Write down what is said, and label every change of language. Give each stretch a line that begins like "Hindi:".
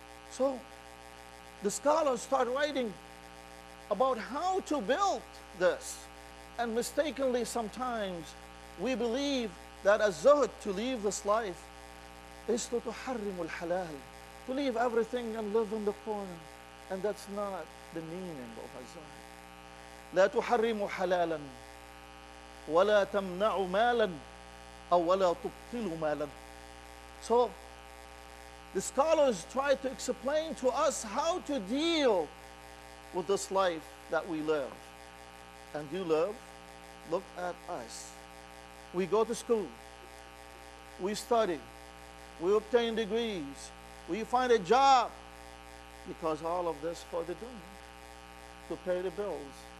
English: So, the scholars start writing about how to build this. And mistakenly sometimes we believe that az-zuhd, to leave this life, is to
Arabic: tuharrim al-halal,
English: to leave everything and live in the corner. And that's not the meaning of az-zuhd.
Arabic: لا تحرم حلالا ولا تمنع مالا أو ولا تبطل مالا.
English: So the scholars try to explain to us how to deal with this life that we live. And you live, look at us. We go to school, we study, we obtain degrees, we find a job, because all of this for the dunya, to pay the bills.